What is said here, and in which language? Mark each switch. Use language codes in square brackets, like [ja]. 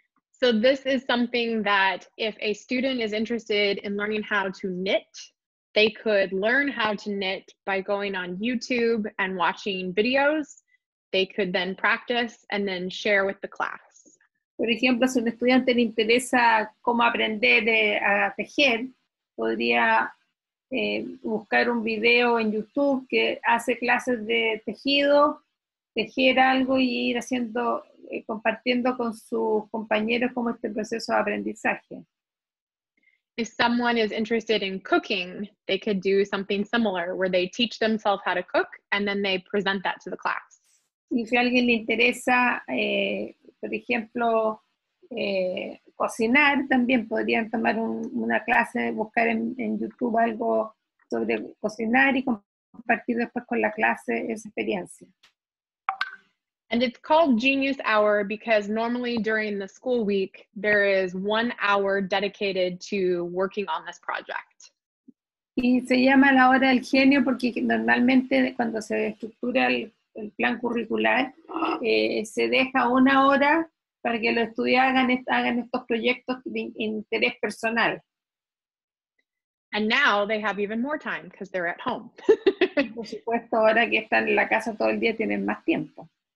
[en] So this is something that if a student is interested in learning how to knit, they could learn how to knit by going on YouTube and watching videos. They could then practice and then share with the class. [es] Por ejemplo, si un estudiante le interesa cómo aprender a tejer, podría buscar un video en YouTube que hace clases de tejido, tejer algo y ir haciendo, compartiendo con sus compañeros cómo este proceso de aprendizaje. [en] If someone is interested in cooking, they could do something similar where they teach themselves how to cook and then they present that to the class. [es] Y si a alguien le interesa, por ejemplo, cocinar, también podrían tomar una clase, buscar en YouTube algo sobre cocinar y compartir después con la clase esa experiencia. [en] And it's called Genius Hour because normally during the school week, there is 1 hour dedicated to working on this project. [es] Y se llama la hora del genio porque normalmente cuando se estructura el plan curricular, se deja 1 hora para que los estudiantes hagan estos proyectos de interés personal. [en] And now they have even more time because they're at home. [es] Por supuesto, ahora que están en la casa todo el día tienen más tiempo.